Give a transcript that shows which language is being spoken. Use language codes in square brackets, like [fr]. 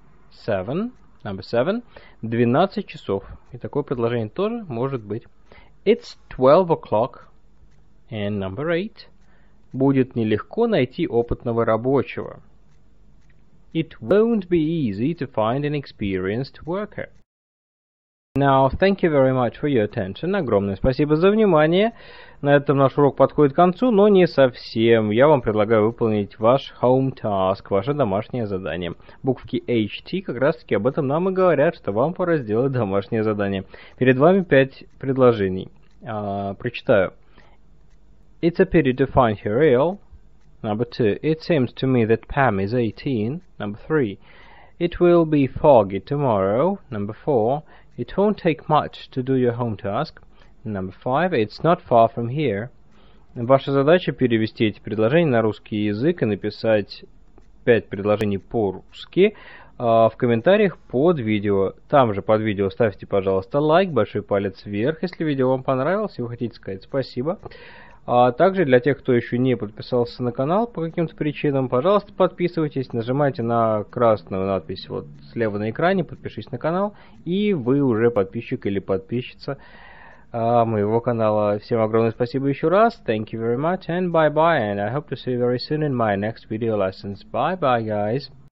[en] Seven, number seven. [ru] 12 часов. И такое предложение тоже может быть. [en] It's 12 o'clock. And number eight. [ru] Будет нелегко найти опытного рабочего. [en] It won't be easy to find an experienced worker. Now, thank you very much for your attention. [ru] Огромное спасибо за внимание. На этом наш урок подходит к концу, но не совсем. Я вам предлагаю выполнить ваш [en] home task, [ru] ваше домашнее задание. Буквы HT как раз таки об этом нам и говорят, что вам пора сделать домашнее задание. Перед вами 5 предложений. Прочитаю. [en] It's a pity to find her ill. Number 2. It seems to me that Pam is 18. Number 3. It will be foggy tomorrow. Number 4. It won't take much to do your home task. Number 5. It's not far from here. [ru] Ваша задача перевести эти предложения на русский язык и написать 5 предложений по-русски в комментариях под видео. Там же под видео ставьте, пожалуйста, лайк, большой палец вверх, если видео вам понравилось и вы хотите сказать спасибо. А также для тех, кто еще не подписался на канал по каким-то причинам, пожалуйста, подписывайтесь, нажимайте на красную надпись вот слева на экране, подпишись на канал, и вы уже подписчик или подписчица моего канала. Всем огромное спасибо еще раз. [en] Thank you very much and bye-bye, and I hope to see you very soon in my next video lessons. Bye-bye, guys.